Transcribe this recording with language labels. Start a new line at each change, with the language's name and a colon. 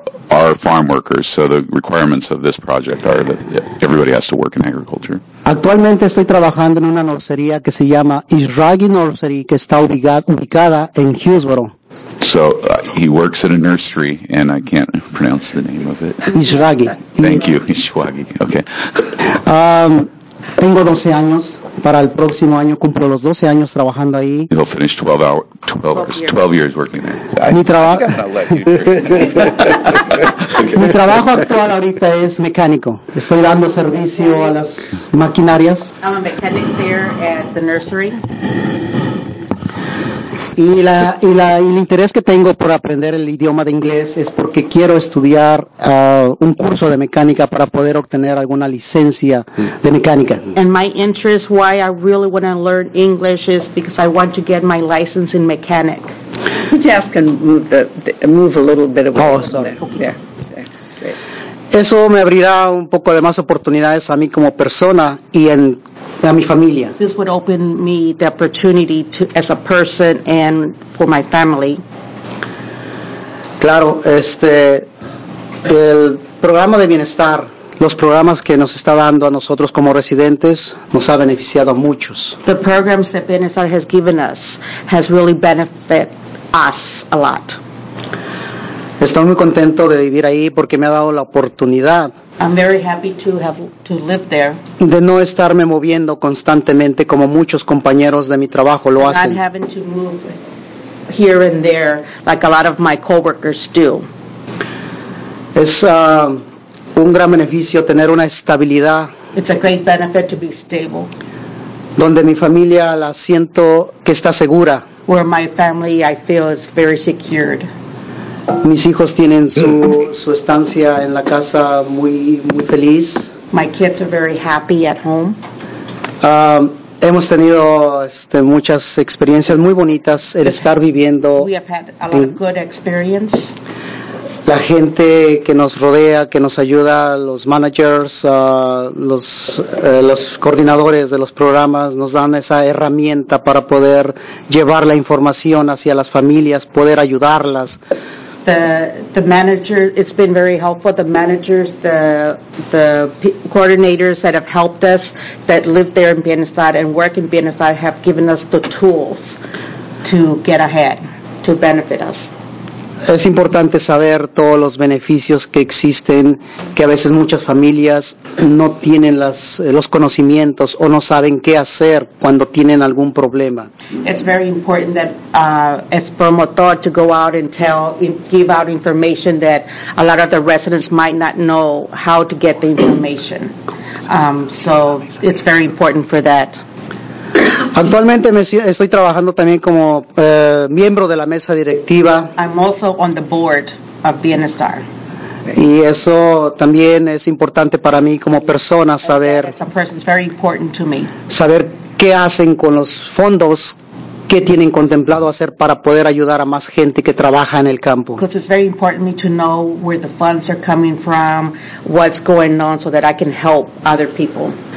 English: Are farm workers, so the requirements of this project are that everybody has to work in agriculture.
Spanish: Actualmente estoy trabajando en una nursería que se llama Isragi Nursery, que está ubicada en Hillsboro.
English: So he works at a nursery, and I can't pronounce the name of it.
Spanish: Isragi.
English: Thank you, Isragi. Okay.
Spanish: Tengo 12 años. Para el próximo año cumplo los 12 años trabajando ahí.
English: He'll finish 12 years working there.
Spanish: Mi trabajo actual ahorita es mecánico. Estoy dando servicio a las maquinarias.
English: I'm a mechanic there at the nursery.
Spanish: Y el interés que tengo por aprender el idioma de inglés es porque quiero estudiar un curso de mecánica para poder obtener alguna licencia de mecánica.
English: And my interest, why I really want to learn English, is because I want to get my license in mechanic. Could you ask and move a little bit away? Oh, sorry.
Spanish: Eso me abrirá un poco de más oportunidades a mí como persona y en a mi familia.
English: This would open me the opportunity to, as a person and for my family.
Spanish: Claro, el programa de bienestar, los programas que nos está dando a nosotros como residentes, nos ha beneficiado a muchos.
English: The programs that Bienestar has given us has really benefited us a lot.
Spanish: Estoy muy contento de vivir ahí porque me ha dado la oportunidad.
English: I'm very happy to live there.
Spanish: De no estarme moviendo constantemente como muchos compañeros de mi trabajo lo hacen.
English: Not having to move here and there like a lot of my coworkers do.
Spanish: Es un gran beneficio tener una estabilidad.
English: It's a great benefit to be stable.
Spanish: Donde mi familia la siento que está segura.
English: Where my family I feel is very secured.
Spanish: Mis hijos tienen su estancia en la casa muy, muy feliz.
English: My kids are very happy at home.
Spanish: Hemos tenido muchas experiencias muy bonitas el estar viviendo.
English: We have had a lot of good experience.
Spanish: La gente que nos rodea, que nos ayuda, los managers, los coordinadores de los programas, nos dan esa herramienta para poder llevar la información hacia las familias, poder ayudarlas.
English: the manager, it's been very helpful. The managers, the coordinators that have helped us that live there in Bienestar and work in Bienestar have given us the tools to get ahead, to benefit us. Es importante saber todos los beneficios que existen, que a veces muchas familias no tienen los conocimientos o no saben qué hacer cuando tienen algún problema. It's very important that as promotor to go out and give out information that a lot of the residents might not know how to get the information. So it's very important for that.
Spanish: Actualmente estoy trabajando también como miembro de la mesa directiva.
English: I'm also on the board of Bienestar.
Spanish: Y eso también es importante para mí como persona saber.
English: As a person, it's very important to me.
Spanish: Saber qué hacen con los fondos, qué tienen contemplado hacer para poder ayudar a más gente que trabaja en el campo.
English: Because it's very important to know where the funds are coming from, what's going on, so that I can help other people.